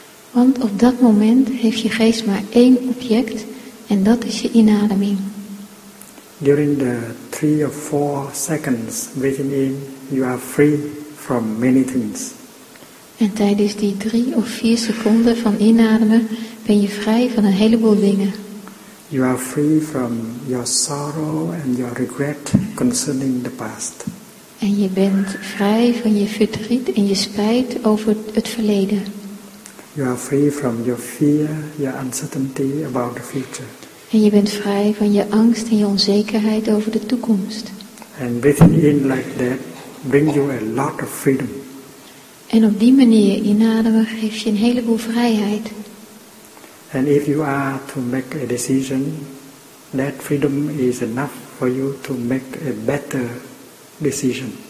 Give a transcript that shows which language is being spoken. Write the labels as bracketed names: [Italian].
[Dutch] Want op dat moment heeft je geest maar één object en dat is je inademing. [English] During the 3 or 4 seconds breathing in, you are free from many things. [Dutch] En tijdens die 3 of 4 seconden van inademen ben je vrij van een heleboel dingen. [English] You are free from your sorrow and your regret concerning the past. [Dutch] En je bent vrij van je verdriet en je spijt over het verleden. [English] You are free from your fear, your uncertainty about the future. [Dutch] En je bent vrij van je angst en je onzekerheid over de toekomst. [English] And breathing in like that brings you a lot of freedom. [Dutch] En op die manier inademen geeft je een heleboel vrijheid. [English] And if you are to make a decision, that freedom is enough for you to make a better decision.